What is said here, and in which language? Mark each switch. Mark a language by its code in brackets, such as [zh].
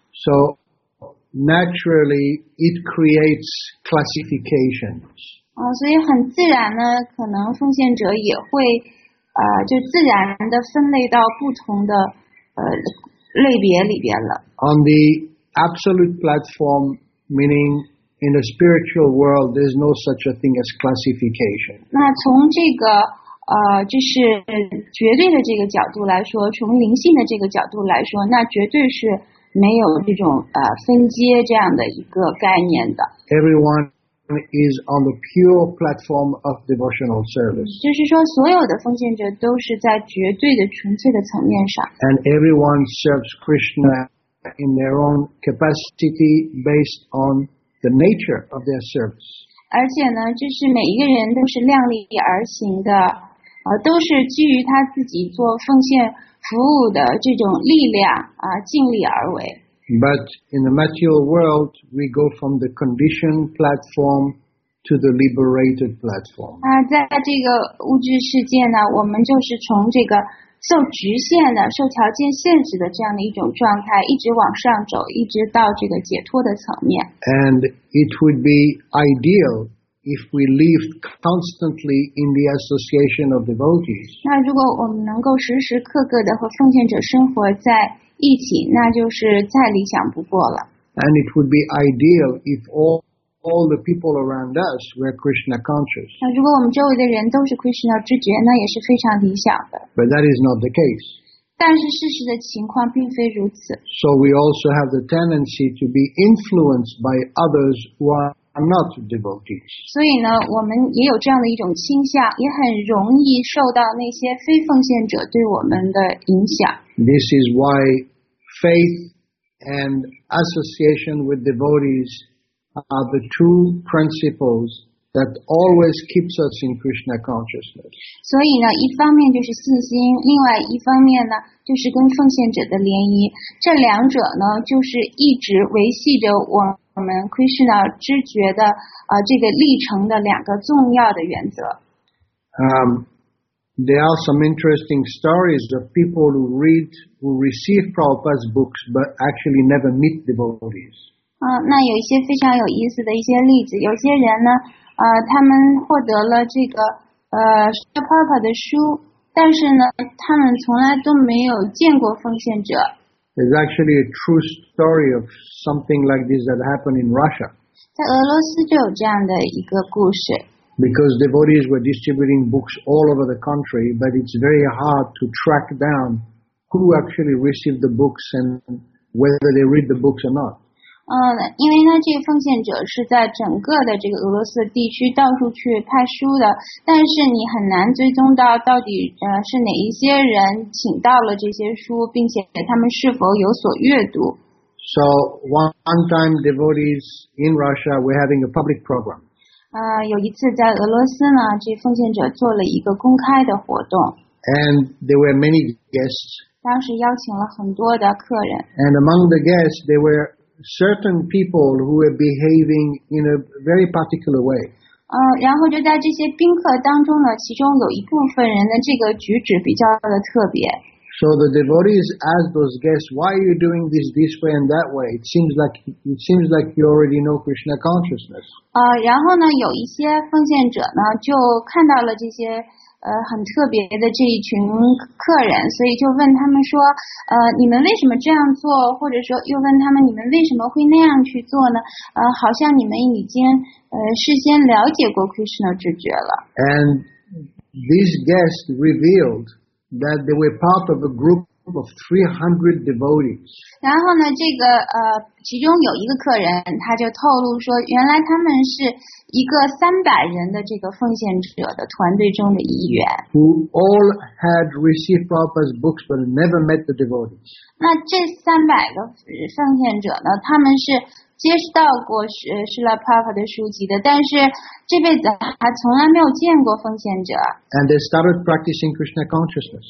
[en] So. Naturally, it creates classifications. [zh] 所以很自然呢，可能奉献者也会，就自然的分类到不同的类别里边了。 [en] On the absolute platform, meaning in the spiritual world, there's no such a thing as classification. [zh] 那从这个就是绝对的这个角度来说，从灵性的这个角度来说，那绝对是。没有这种分阶这样的一个概念的。 [en] Everyone is on the pure platform of devotional service. [zh] 就是说，所有的奉献者都是在绝对的纯粹的层面上。 [en] And everyone serves Krishna in their own capacity based on the nature of their service. [zh] 而且呢，就是每一个人都是量力而行的，都是基于他自己做奉献。服务的这种力量尽力而为。 [en] But in the material world, we go from the conditioned platform to the liberated platform. [zh] 在这个物质世界呢，我们就是从这个受局限的、受条件限制的这样的一种状态，一直往上走，一直到这个解脱的层面。 [en] And it would be ideal. If we live constantly in the association of devotees, [zh] 那如果我们能够时时刻刻的和奉献者生活在一起，那就是再理想不过了。 [en] And it would be ideal if all the people around us were Krishna conscious. [zh] 那如果我们周围的人都是 Krishna 知觉，那也是非常理想的。 [en] But that is not the case. [zh] 但是事实的情况并非如此。 [en] So we also have the tendency to be influenced by others who are. I'm not devotees. [zh] 所以呢，我们也有这样的一种倾向，也很容易受到那些非奉献者对我们的影响。 [en] This is why faith and association with devotees are the two principles that always keeps us in Krishna consciousness. [zh] 所以呢，一方面就是信心，另外一方面呢，就是跟奉献者的联谊。这两者呢，就是一直维系着我们 Krishna 知觉的这个历程的两个重要的原则。 [en] There are some interesting stories of people who read, who receive Prabhupada's books, but actually never meet devotees. [zh] 那有一些非常有意思的一些例子。有些人呢，他们获得了这个Prabhupada 的书，但是呢，他们从来都没有见过奉献者。 [en] There's actually a true story of something like this that happened in Russia. [zh] 在俄罗斯就有这样的一个故事。 [en] Because devotees were distributing books all over the country, but it's very hard to track down who actually received the books and whether they read the books or not. [zh] 因为呢，这个奉献者是在整个的这个俄罗斯地区到处去派书的，但是你很难追踪到底是哪一些人请到了这些书，并且他们是否有所阅读。 [en] So one time devotees in Russia were having a public program. [zh] 有一次在俄罗斯呢，这奉献者做了一个公开的活动。 [en] And there were many guests. [zh] 当时邀请了很多的客人。 [en] And among the guests, there were certain people who were behaving in a very particular way. [zh] 然后就在这些宾客当中呢，其中有一部分人的这个举止比较的特别。 [en] So the devotees asked those guests, why are you doing this way and that way? It seems like you already know Krishna consciousness. [zh] 然后呢，有一些奉献者呢，就看到了这些很特别的这一群客人，所以就问他们说，你们为什么这样做？或者说又问他们，你们为什么会那样去做呢？好像你们已经事先了解过 Krishna 直觉了。 [en] And these guests revealed. That they were part of a group of 300 devotees. [zh] 然后呢，这个其中有一个客人，他就透露说，原来他们是一个300人的这个奉献者的团队中的一员。 [en] Who all had received Prabhupada's books but never met the devotees. [zh] 那这300个奉献者呢，他们是接到过Srila Prabhupada的书籍的，但是这辈子还从来没有见过奉献者。 [en] And they started practicing Krishna consciousness.